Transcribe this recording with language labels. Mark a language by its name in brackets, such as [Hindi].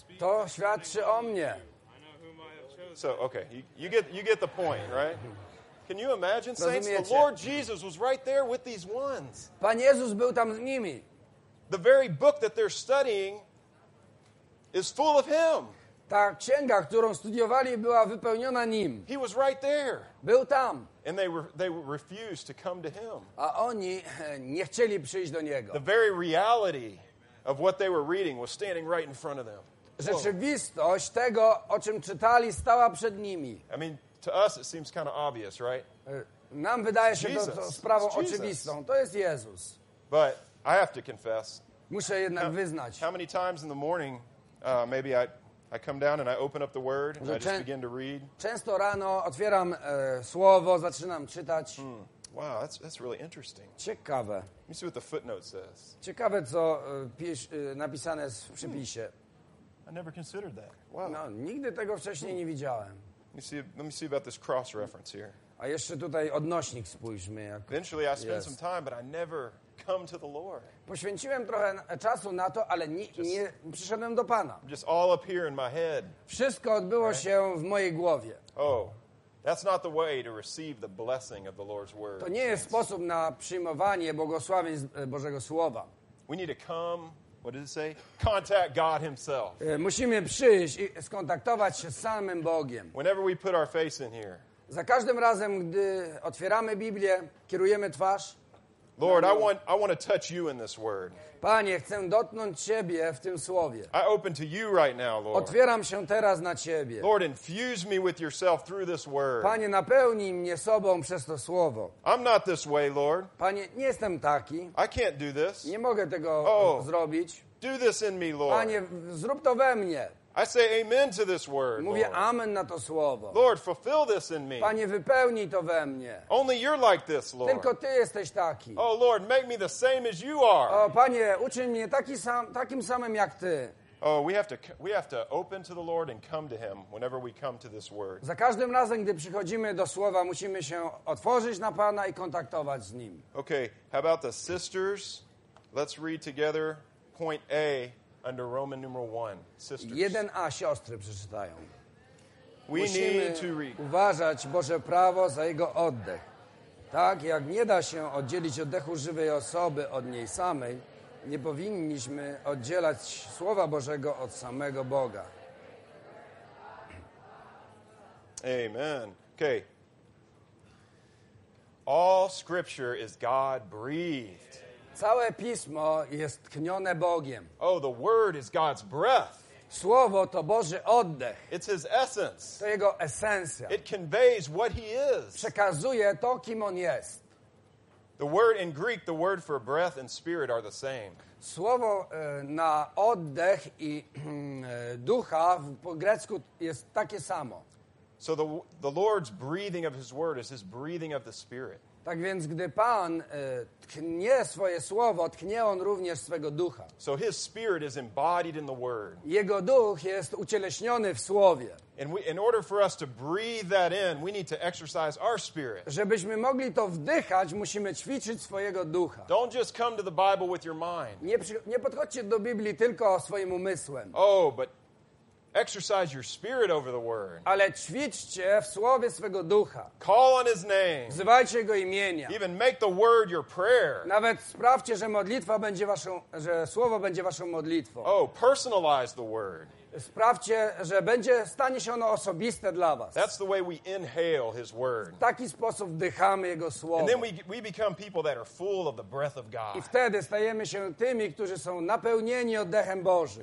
[Polish] To świadczy o mnie. [English] So, okay, you get the point, right? Can you imagine, saints? The Lord Jesus was right there with these ones. [Polish] Pan Jezus był tam z nimi. [English] The very book that they're studying is full of him. [Polish] Ta księga, którą studiowali, była wypełniona nim. [English] He was right there. [Polish] Był tam. [English] And they refused to come to him. [Polish] A oni nie chcieli przyjść do niego. [English] The very reality of what they were reading was standing right in front of them. [Polish] Rzeczywistość tego, o czym czytali, stała przed nimi. [English] I mean, to us it seems kind of obvious, right? [Polish] Nam wydaje się to sprawą oczywistą. To jest Jezus. [English] But I have to confess. [Polish] Muszę jednak wyznać. [English] How many times in the morning, maybe I come down and I open up the word and I just begin to read. [Polish] Często rano otwieram słowo, zaczynam czytać. [English] Wow, that's really interesting. [Polish] Ciekawe. [English] Let me see what the footnote says. [Polish] Ciekawe, co napisane jest w przypisie. [English] I never considered that. Wow. [Polish] No, nigdy tego wcześniej nie widziałem. [English] Let me see about this cross reference here. [Polish] A jeszcze tutaj odnośnik spójrzmy. Jak [English] eventually I spend some time, but I never come to the Lord. [Polish] Poświęciłem trochę czasu na to, ale nie przyszedłem do Pana. [English] Just all up here in my head. [Polish] Wszystko odbyło się w mojej głowie. [English] Oh, that's not the way to receive the blessing of the Lord's word. [Polish] To nie jest sposób na przyjmowanie błogosławieństw Bożego słowa. [English] We need to come. What does it say? Contact God Himself. [Polish] Musimy przyjść i skontaktować się z samym Bogiem. [English] Whenever we put our face in here. [Polish] Za każdym razem, gdy otwieramy Biblię, kierujemy twarz. [English] Lord, I want to touch you in this word. [Polish] Panie, chcę dotknąć Ciebie w tym słowie. [English] I open to you right now, Lord. [Polish] Otwieram się teraz na Ciebie. [English] Lord, infuse me with yourself through this word. [Polish] Panie, napełnij mnie sobą przez to słowo. [English] I'm not this way, Lord. [Polish] Panie, nie jestem taki. [English] I can't do this. [Polish] Nie mogę tego zrobić. [English] Do this in me, Lord. [Polish] Panie, zrób to we mnie. [English] I say amen to this word. [Polish] Mówię [English] Lord. [Polish] Amen na to słowo. [English] Lord, fulfill this in me. [Polish] Panie, wypełnij to we mnie. [English] Only you're like this, Lord. [Polish] Tylko ty jesteś taki. [English] Oh Lord, make me the same as you are. [Polish] O Panie, uczyń mnie takim samym jak ty. [English] Oh, we have to open to the Lord and come to him whenever we come to this word. [Polish] Za każdym razem, gdy przychodzimy do słowa, musimy się otworzyć na Pana i kontaktować z nim. [English] Okay, how about the sisters? Let's read together point A. Under Roman numeral 1, sisters. [Polish] 1a, siostry przeczytają. [English] We need to read. [Polish] Uważać Boże prawo za jego oddech. Tak jak nie da się oddzielić oddechu żywej osoby od niej samej, nie powinniśmy oddzielać Słowa Bożego od samego Boga. [English] Amen. Okay. All scripture is God-breathed. [Polish] Całe pismo jest tchnione Bogiem. [English] Oh, the word is God's breath. [Polish] Słowo to Boży oddech. [English] It's his essence. [Polish] To jego esencja. [English] It conveys what he is. [Polish] Przekazuje to, kim on jest. [English] The word in Greek, the word for breath and spirit are the same. [Polish] Słowo na oddech i ducha po grecku jest takie samo. [English] So the Lord's breathing of his word is his breathing of the Spirit. [Polish] Tak więc gdy Pan tchnie swoje słowo, tchnie on również swego ducha. [English] So his spirit is embodied in the word. [Polish] Jego duch jest ucieleśniony w słowie. [English] And we, in order for us to breathe that in, we need to exercise our spirit. [Polish] Żebyśmy mogli to wdychać, musimy ćwiczyć swojego ducha. [English] Don't just come to the Bible with your mind. [Polish] Nie podchodźcie do Biblii tylko swoim umysłem. [English] Oh, but exercise your spirit over the word. [Polish] Ale ćwiczcie w słowie swego ducha. [English] Call on his name. [Polish] Wzywajcie jego imienia. [English] Even make the word your prayer. [Polish] Nawet sprawcie, że modlitwa będzie waszą, że słowo będzie waszą modlitwą. [English] Oh, personalize the word. [Polish] Sprawcie, że będzie stanie się ono osobiste dla was. [English] That's the way we inhale his word. [Polish] W taki sposób wdychamy jego słowo. [English] And then we become people that are full of the breath of God. [Polish] I wtedy stajemy się tymi, którzy są napełnieni oddechem Bożym.